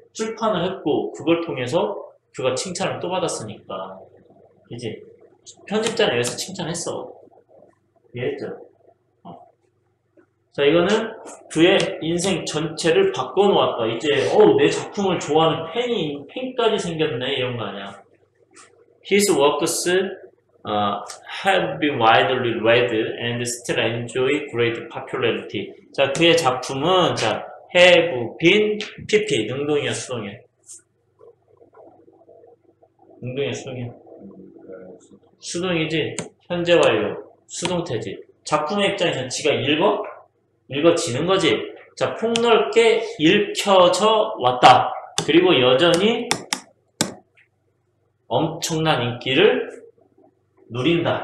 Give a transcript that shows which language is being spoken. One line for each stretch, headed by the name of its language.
Korean: 출판을 했고, 그걸 통해서 그가 칭찬을 또 받았으니까. 이제 편집자는 여기서 칭찬했어. 이해했죠? 자, 이거는 그의 인생 전체를 바꿔놓았다. 이제, 어우, 내 작품을 좋아하는 팬까지 생겼네. 이런 거 아니야.
English: His works have been widely read and still enjoy great popularity.
Korean: 자, 그의 작품은, 자, 해부, 빈, PP, 능동이야, 수동이야. 능동이야, 수동이야. 수동이지. 현재 완료. 수동태지. 작품의 입장에서 지가 읽어? 읽어지는 거지. 자, 폭넓게 읽혀져 왔다. 그리고 여전히 엄청난 인기를 누린다.